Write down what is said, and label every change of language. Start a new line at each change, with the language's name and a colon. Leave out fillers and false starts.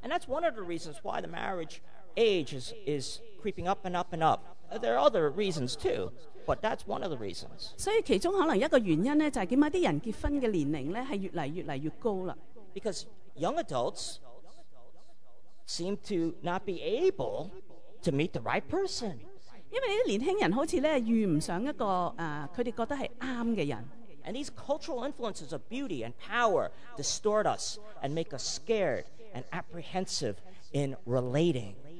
English: And that's one of the reasons why the marriage age is creeping up and up and up. There are other reasons too. But that's one of the reasons.
Cantonese: 所以其中可能一個原因咧，就係點解啲人結婚嘅年齡咧係越嚟越高啦。
English: Because young adults seem to not be able to meet the right person.
Cantonese: 因為啲年輕人好似咧遇唔上一個佢哋覺得係啱嘅人。
English: And these cultural influences of beauty and power distort us and make us scared and apprehensive in relating.